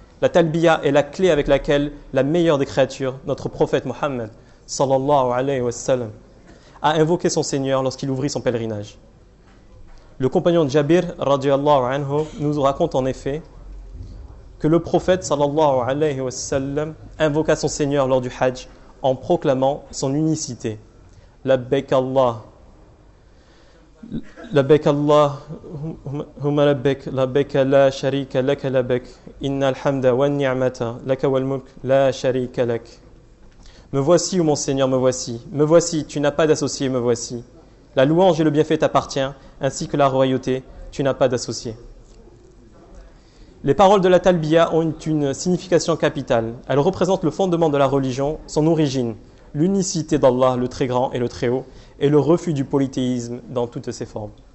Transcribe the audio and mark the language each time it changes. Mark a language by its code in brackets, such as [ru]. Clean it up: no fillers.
[fr] La talbiya est la clé avec laquelle la meilleure des créatures, notre prophète Mohammed, sallallahu alayhi wa sallam, a invoqué son Seigneur lorsqu'il ouvrit son pèlerinage. Le compagnon de Jabir, radiallahu anhu, nous raconte en effet que le prophète, sallallahu alayhi wa sallam, invoqua son Seigneur lors du Hajj en proclamant son unicité. [ar] Labbaik Allah. لبيك الله هم لبيك لبيك لا شريك لك لبيك إن الحمد والنعمة لك والملك لا شريك لك. [fr] Me voici, ô mon Seigneur, me voici. Me voici, tu n'as pas d'associé, me voici. La louange et le bienfait t'appartient, ainsi que la royauté, tu n'as pas d'associé. Les paroles de la Talbiya ont une signification capitale. Elles représentent le fondement de la religion, son origine, l'unicité d'Allah, le Très Grand et le Très Haut, et le refus du polythéisme dans toutes ses formes.